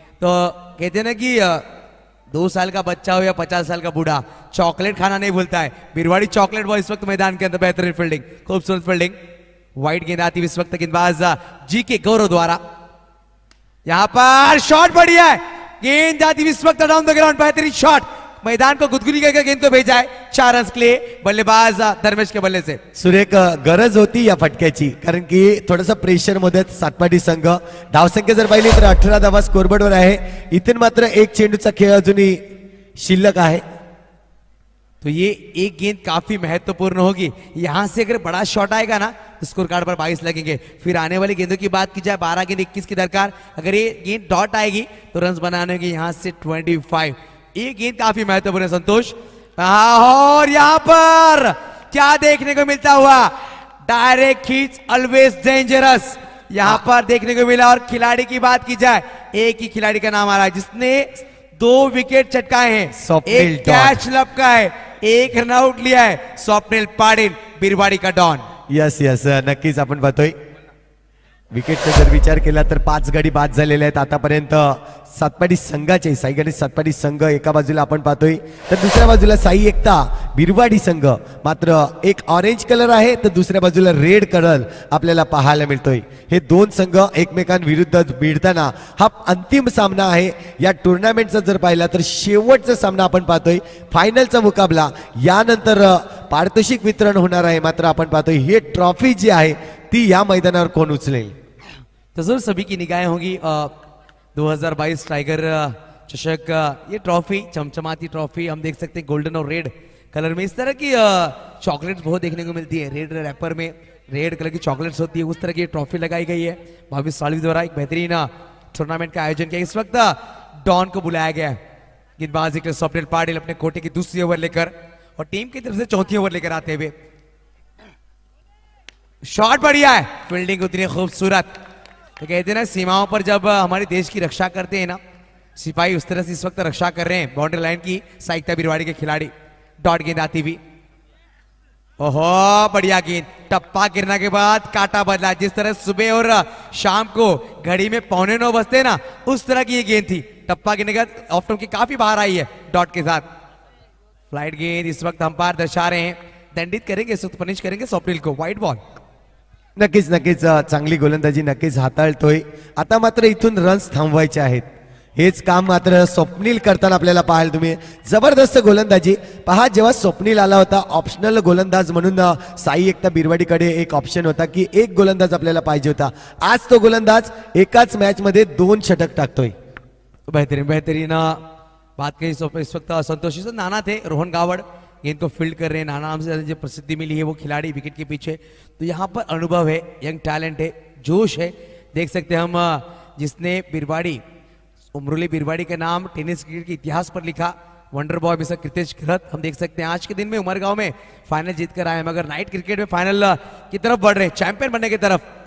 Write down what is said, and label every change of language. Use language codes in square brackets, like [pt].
[hi] तो कहते ना कि 2 साल का बच्चा हो या 50 साल का बूढ़ा, चॉकलेट खाना नहीं भूलता है बिरवाड़ी चॉकलेट बॉय इस वक्त मैदान के अंदर, बेहतरीन फील्डिंग, खूबसूरत फील्डिंग, व्हाइट गेंद आती है इस वक्त गेंदबाज जी के गौरव द्वारा। यहां पर शॉट बढ़िया है, गेंद जाती इस वक्त डाउन द ग्राउंड, बेहतरीन शॉट, मैदान को गुदगुदी करके गेंद को भेजा है 4 रन के लिए बल्लेबाज धर्मेश के बल्ले से। [mr] सुरेख गरज होती या फटक्याची, कारण की थोड़ा सा प्रेशर मध्ये सातपाटी संघ, धावसंख्या जर पाहिली तर 18 धावा स्कोरबोर्ड वर आहे, इथून मात्र एक चेंडूचा खेळ अजूनही शिल्लक आहे, [hi] तो ये एक गेंद काफी महत्वपूर्ण होगी। यहां से अगर बड़ा शॉट आएगा ना तो स्कोर कार्ड पर 22 लगेंगे, फिर आने वाली गेंदों की बात की जाए 12 गेंद 21 की दरकार, अगर ये गेंद डॉट आएगी तो रन बनाने होंगे यहां से 25, ये गेंद काफी महत्वपूर्ण है संतोष। और यहां पर क्या देखने को मिलता हुआ, डायरेक्ट खींच ऑलवेज डेंजरस यहां पर देखने को मिला, और खिलाड़ी की बात की जाए एक ही खिलाड़ी का नाम आ रहा है जिसने 2 विकेट चटकाए हैं, स्वप्निल कैच लपका है, 1 रन आउट लिया है स्वप्निल पाडिन, बिरवाड़ी का डॉन। [mr] यस यस नक्कीच आपण बघतोय, विकेटचा जर विचार केला तर 5 गडी बाद झालेले आहेत आतापर्यंत सातपाटी संघाचे, साई गणेश सातपाटी संघ एका बाजूला आपण पाहतोय तर दुसऱ्या बाजूला साई एकता बिरवाडी संघ, मात्र एक ऑरेंज कलर आहे तर दुसऱ्या बाजूला रेड कलर आपल्याला पाहायला मिळतोय। हे दोन संघ एकमेकांविरुद्ध भिडताना हा अंतिम सामना आहे या टूर्नामेंटचा, जर पाहिला तर शेवटचा सामना आपण पाहतोय, फायनलचा मुकाबला, यानंतर पारितोषिक वितरण होणार आहे, मात्र आपण पाहतोय ही ट्रॉफी जी आहे ती या मैदानावर कोण उचलेल। [hi] तो जरूर सभी की निगाहें होंगी 2022 टाइगर चषक, ये ट्रॉफी चमचमाती ट्रॉफी हम देख सकते हैं गोल्डन और रेड कलर में। इस तरह की चॉकलेट्स बहुत देखने को मिलती है, रेड रैपर में रेड कलर की चॉकलेट्स होती है, उस तरह की ट्रॉफी लगाई गई है 22 साल द्वारा। एक बेहतरीन टूर्नामेंट का आयोजन किया, इस वक्त डॉन को बुलाया गया गेंदबाज के सॉफ्टवेयर पाटिल अपने कोटे की दूसरी ओवर लेकर और टीम की तरफ से चौथी ओवर लेकर आते हुए। शॉट बढ़िया है, फील्डिंग उतनी खूबसूरत। तो कहते ना सीमाओं पर जब हमारे देश की रक्षा करते हैं ना सिपाही, उस तरह से इस वक्त रक्षा कर रहे हैं बाउंड्री लाइन की साइकता बिरवाड़ी के खिलाड़ी। डॉट गेंद आती हुई, ओहो बढ़िया गेंद, टप्पा गिरने के बाद काटा बदला, जिस तरह सुबह और शाम को घड़ी में 9:15 बजते ना उस तरह की ये गेंद थी। टप्पा गिरने के बाद ऑफ स्टंप की काफी बाहर आई है डॉट के साथ। फ्लाइट गेंद, इस वक्त अंपायर दर्शा रहे हैं दंडित करेंगे, इस वक्त पनिश करेंगे सॉफ्टवेल को। [en] white ball, [mr] नक्कीच नक्कीच चांगली गोलंदाजी नक्कीच हाताळतोय। आता मात्र इथून रन्स थांबवायचे आहेत, हेच काम मात्र स्वप्नील करताना आपल्याला पाहाल तुम्ही। जबरदस्त गोलंदाजी पहा, जेव्हा स्वप्नील आला होता ऑप्शनल गोलंदाज म्हणून साई एकता बिरवाडीकडे एक ऑप्शन होता की एक गोलंदाज आपल्याला पाहिजे होता, आज तो गोलंदाज एकाच मॅच मध्ये 2 षटक टाकतोय। [hi] बेहतरीन बेहतरीन बात कही सोपे, इस वक्त संतोषी सर नाना थे रोहन गावड़ गेंद को फील्ड कर रहे हैं, नाना से जो प्रसिद्धि मिली है वो खिलाड़ी विकेट के पीछे। तो यहाँ पर अनुभव है, यंग टैलेंट है, जोश है, देख सकते हैं हम जिसने बिरवाड़ी उमरुली बिरवाड़ी का नाम टेनिस क्रिकेट के इतिहास पर लिखा, वंडर बॉय मिस्टर कृतेश खरत, हम देख सकते हैं आज के दिन में उमरगांव में फाइनल जीत कर आए, मगर नाइट क्रिकेट में फाइनल की तरफ बढ़ रहे, चैंपियन बनने की तरफ।